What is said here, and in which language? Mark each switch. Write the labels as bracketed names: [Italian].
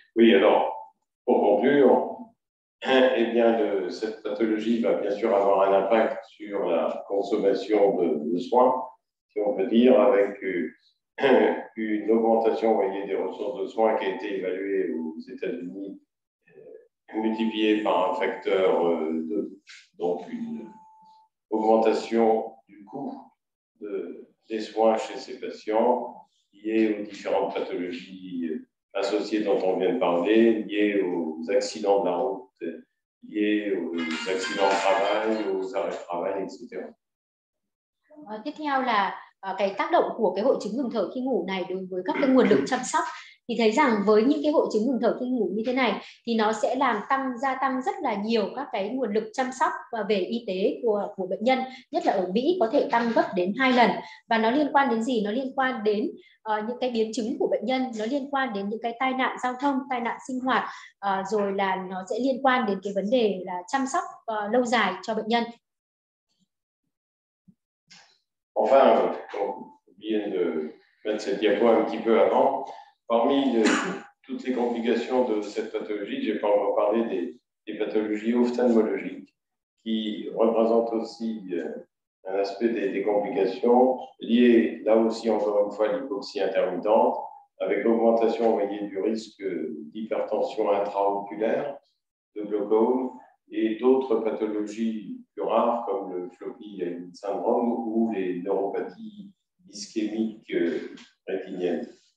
[French] Oui, alors, pour conclure, eh bien, cette pathologie va bien sûr avoir un impact sur la consommation de soins, si on peut dire, avec une augmentation, vous voyez, des ressources de soins qui a été évaluée aux États-Unis, multipliée par un facteur de, donc une augmentation du coût des soins chez ces patients liés aux différentes pathologies associés dont on vient de parler, liés aux accidents de la route, liés aux accidents de travail, aux arrêts de travail, etc. [Vietnamese] Tiếp theo là cái tác động của cái hội chứng ngừng thở khi ngủ này đối với các cái nguồn lực chăm sóc. Thì thấy rằng với những cái hội chứng ngừng thở khi ngủ như thế này thì nó sẽ làm tăng gia tăng rất là nhiều các cái nguồn lực chăm sóc về y tế của bệnh nhân, nhất là ở Mỹ có thể tăng gấp đến 2 lần. Và nó liên quan đến gì? Nó liên quan đến những cái biến chứng của bệnh nhân, nó liên quan đến những cái tai nạn giao thông, tai nạn sinh hoạt, rồi là nó sẽ liên quan đến cái vấn đề là chăm sóc lâu dài cho bệnh nhân. [French] Enfin, bien de mettre cette diapo un petit peu avant. Parmi toutes les complications de cette pathologie, j'ai pas encore parlé des pathologies ophtalmologiques qui représentent aussi un aspect des complications liées, là aussi encore une fois, à l'hypoxie intermittente, avec l'augmentation, vous voyez, du risque d'hypertension intraoculaire, de glaucome et d'autres pathologies plus rares comme le floppy syndrome ou les neuropathies ischémiques rétiniennes.